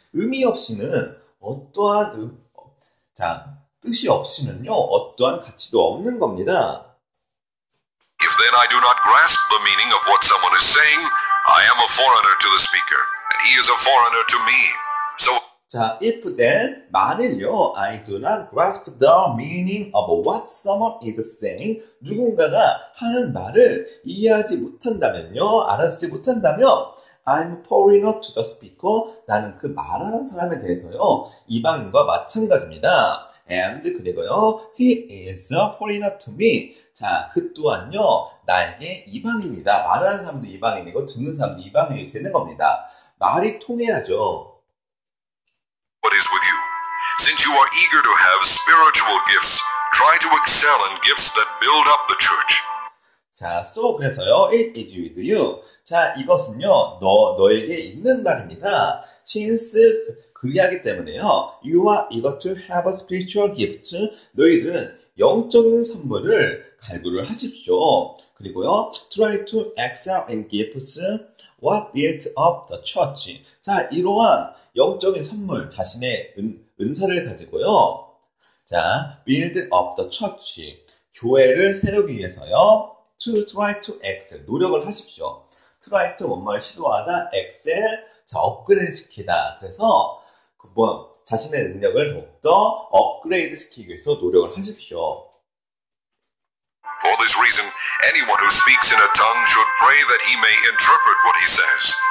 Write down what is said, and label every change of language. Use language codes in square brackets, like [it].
[ko] 의미 없이는 어떠한, 자, 뜻이 없이는요, 어떠한 가치도 없는 겁니다. [en] If then I do not grasp the meaning of what someone is saying, I am a foreigner to the speaker, and he is a foreigner to me. So, 자, if then, 만일요, I do not grasp the meaning of what someone is saying, [ko] 누군가가 하는 말을 이해하지 못한다면요, 알아듣지 못한다면, [en] I'm a foreigner to the speaker, [ko] 나는 그 말하는 사람에 대해서요, 이방인과 마찬가지입니다. [en] And, [ko] 그리고요, [en] he is a foreigner to me. [ko] 자, 그 또한요, 나에게 이방입니다. 말하는 사람도 이방인이고, 듣는 사람도 이방인이 되는 겁니다. 말이 통해야죠. [en] What is with you? Since you are eager to have spiritual gifts, try to excel in gifts that build up the church. 자, so [ko] 그래서요, [en] it is with you. [ko] 자, 이것은요, 너에게 있는 말입니다. [en] Since [ko] 그리하기 때문에요, [en] you are eager to have a spiritual gifts. [ko] 너희들은 영적인 선물을 갈구를 하십시오. 그리고요, [en] try to excel in gifts what built up the church. [ko] 자, 이러한 영적인 선물, 자신의 은사를 가지고요. [en] 자, build up the church. [ko] 교회를 세우기 위해서요. [en] to try to excel. [ko] 노력을 하십시오. [en] try to [ko] 뭔말 시도하다, [en] excel. [ko] 자, 업그레이드 시키다. 그래서, 자신의 능력을 더욱더 업그레이드 시키기 위해서 노력을 하십시오. [en] For this reason, anyone who speaks in a tongue should pray that he may interpret what he says.